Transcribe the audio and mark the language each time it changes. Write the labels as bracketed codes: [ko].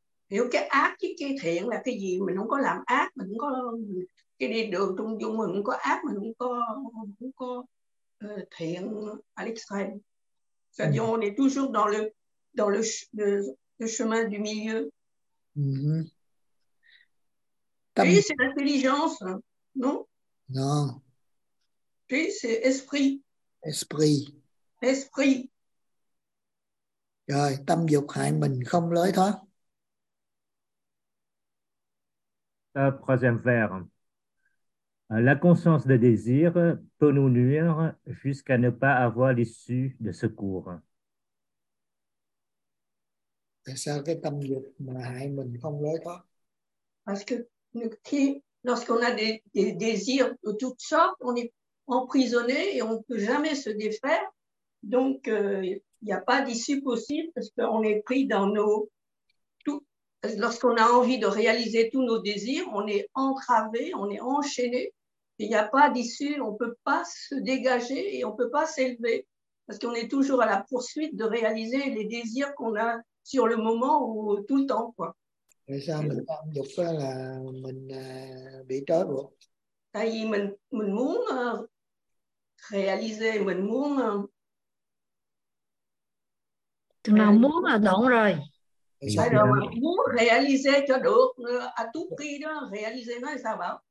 [vi] Hiểu cái ác chứ cái thiện là cái gì? Mình không có làm ác, mình không có cái đi đường trung dung, mình không có ác, mình không có thiện. [fr] Alexandre. Ça dit on est toujours dans le chemin du milieu. Tâm... Puis c'est l'intelligence, non? Non. Puis c'est esprit. Esprit. Esprit. [vi] Rồi, tâm dục hại mình không lối thoát. [fr] Troisième vers. La conscience des désirs peut nous nuire jusqu'à ne pas avoir l'issue de secours. [vi] Tại sao cái tâm dục mà hại mình không lối thoát? [fr] Parce que qui, lorsqu'on a des désirs de toutes sortes, on est emprisonné et on ne peut jamais se défaire. Donc, il n'y a pas d'issue possible parce qu'on est pris dans nos... Tout, lorsqu'on a envie de réaliser tous nos désirs, on est entravé, on est enchaîné. Il n'y a pas d'issue, on ne peut pas se dégager et on ne peut pas s'élever parce qu'on est toujours à la poursuite de réaliser les désirs qu'on a sur le moment ou tout le temps, quoi. [vi] Tại sao mình tâm dục là mình bị trói buộc? Tại vì mình muốn realize, mình muốn Tụi nào muốn là đổ rồi. Tại sao mình muốn realize cho được [fr] à tout prix [vi] đó, realize nó là sao bảo?